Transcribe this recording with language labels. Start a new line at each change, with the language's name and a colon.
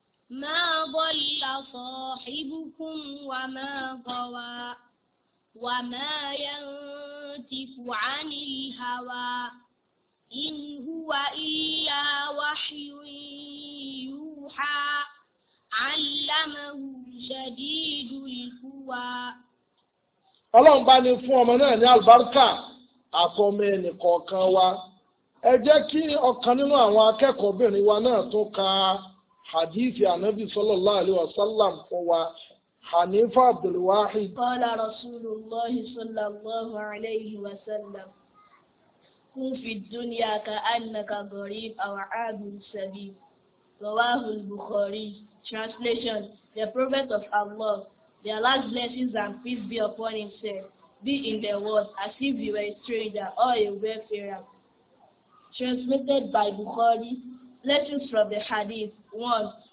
Arabic: ما ضل صاحبكم وما غوى وما ينتف عن الهوى إن هو إلا وحي يوحى علمه شديد القوى.
Yoruba: Ọlọ́run bá ní fún ọmọ náà ní àlùbáríkà àkọ́mọ ẹnì kọ̀ọ̀kan wa. Ẹ jẹ́ kí ọkàn nínú àwọn akẹ́kọ̀ọ́bìnrin wa náà tún ka
Arabic: حديث النبي صلى الله عليه وسلم هو حنيفة عبد الواحد. قال رسول الله صلى الله عليه وسلم: كن في الدنيا كأنك غريب أو عابر سبيل. رواه البخاري.
English: Translation: The Prophet of Allah, the Allah's blessings and peace be upon him, said, be in the world as if you were a stranger or a wayfarer. Transmitted by Bukhari. Lessons from the Hadith. 1.